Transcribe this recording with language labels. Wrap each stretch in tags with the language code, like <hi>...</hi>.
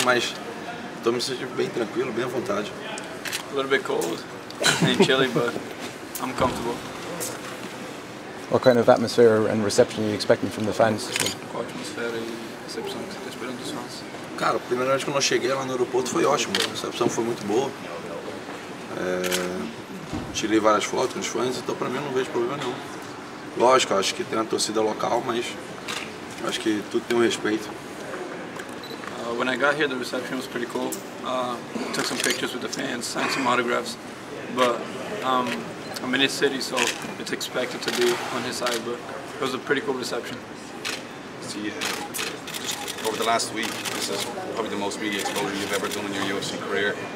<pt>Mas tô me sentindo bem tranquilo, bem à vontade.</pt> <en>A little bit cold and chilly, but I'm comfortable. What kind of atmosphere and reception are you expecting from the fans?</en> <pt>Qual a atmosfera e recepção que você está esperando dos fãs? Cara, a primeira vez que eu cheguei lá no aeroporto foi ótimo. A recepção foi muito boa. Tirei várias fotos com os fãs, então para mim não vejo problema nenhum. Lógico, acho que tem a torcida local, mas acho que tudo tem um respeito.</pt> <en>When I got here, the reception was pretty cool. Took some pictures with the fans, signed some autographs. But I'm in his city, so it's expected to be on his side. But it was a pretty cool reception. See, just over the last week, this is probably the most media exposure you've ever done in your UFC career.</en>